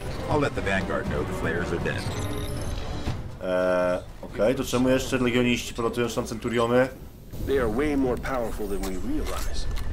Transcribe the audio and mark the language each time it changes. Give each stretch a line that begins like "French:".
English: I'll let the Vanguard know the flares are dead.
Polish: Okej, to czemu jeszcze legioniści polatują na centuriony?
English: They are way more powerful than we realize.